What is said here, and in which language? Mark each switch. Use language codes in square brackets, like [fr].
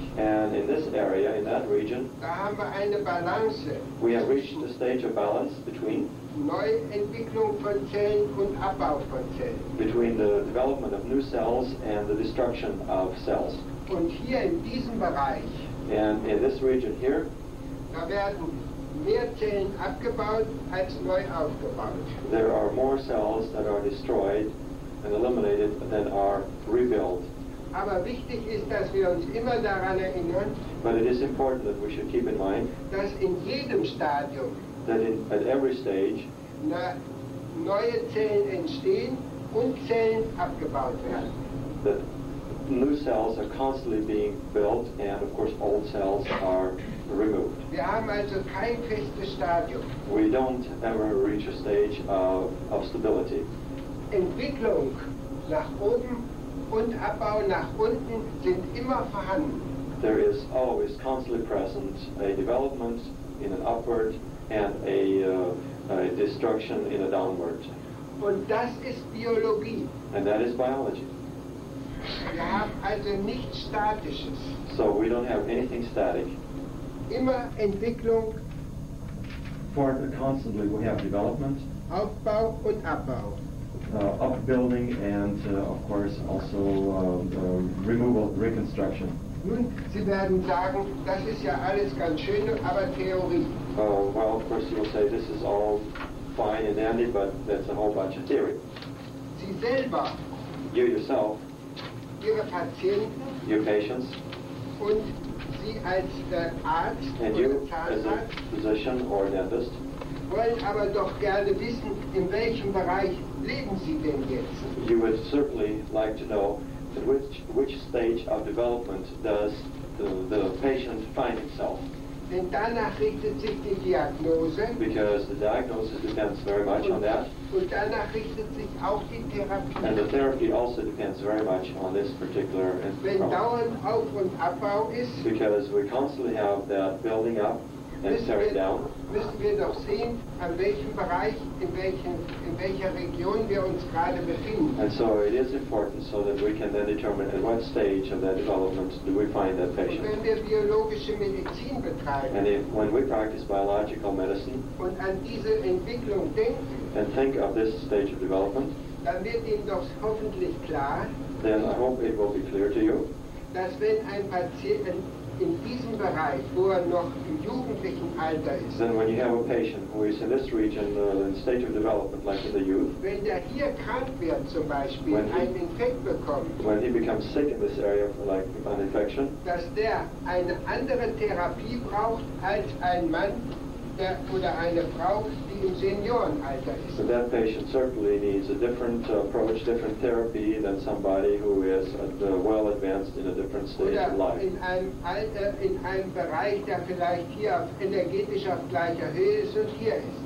[en] And in this area, in that region. [de] Da haben wir eine Balance. [en] We have reached a stage of balance between. [de] Neuentwicklung von Zellen und Abbau von Zellen. [en] Between the development of new cells and the destruction of cells. [de] Und hier in diesem Bereich. [en] And in this region here. [de] Da werden mehr Zellen abgebaut als neu aufgebaut. [en] There are more cells that are destroyed and eliminated than are rebuilt. [de] Aber wichtig ist, dass wir uns immer daran erinnern. [en] But it is important that we should keep in mind. [de] Dass in jedem Stadium. [en] That in, at every stage. [de] Neue Zellen entstehen und Zellen abgebaut werden. [en] That new cells are constantly being built and of course old cells are removed. [de] Wir haben also kein festes Stadium. [en] We don't ever reach a stage of stability. [de] Entwicklung nach oben und Abbau nach unten sind immer vorhanden. [en] There is always constantly present a development in an upward and a destruction in a downward. [de] Und das ist Biologie. [en] And that is biology. [de] Wir haben also nichts Statisches. [en] So we don't have anything static. [de] Immer Entwicklung. [en] Constantly we have development. [de] Aufbau und Abbau. [en] Upbuilding and of course also removal, reconstruction. [de] Nun, Sie werden sagen, das ist ja alles ganz schön, aber Theorie. [en] Well, of course you will say this is all fine and dandy, but that's a whole bunch of theory. [de] Sie selber. [en] You yourself. [de] Ihre Patienten. [en] Your patients. [de] Und Sie als Arzt. [en] And you as a physician or dentist. [de] Wollen aber doch gerne wissen, in welchem Bereich leben Sie denn jetzt? [en] You would certainly like to know at which stage of development does the patient find itself. [de] Denn danach richtet sich die Diagnose. [en] Because the diagnosis depends very much on that. [de] Und danach richtet sich auch die Therapie. [en] And the therapy also depends very much on this particular problem. [de] Wenn dauernd Auf- und Abbau ist. [en] Because we constantly have that building up. [de] Müssen wir doch sehen, an welchem Bereich, in welcher Region wir uns gerade befinden. [en] And so it is important so that we can then determine at what stage of that development do we find that patient. [de] Und wenn wir biologische Medizin betreiben. [en] And when we practice biological medicine. [de] Und an diese Entwicklung denken. [en] And think of this stage of development. [de] Dann wird Ihnen doch hoffentlich klar. [en] Then I hope it will be clear to you. [de] Dass wenn ein Patient in diesem Bereich, wo noch im jugendlichen Alter ist. [en] Then when you have a patient who is in this region, in stage of development, like in the youth. [de] Wenn der hier krank wird, zum Beispiel, einen Infekt bekommt. [en] When he becomes sick in this area, like an infection. [de] Dass der eine andere Therapie braucht als ein Mann der, oder eine Frau, die im Seniorenalter ist. [en] So that patient certainly needs a different approach, different therapy than somebody who is well advanced in a different stage [de] oder [en] of life. [de] In einem Bereich, der vielleicht hier auf energetisch auf gleicher Höhe ist und hier ist.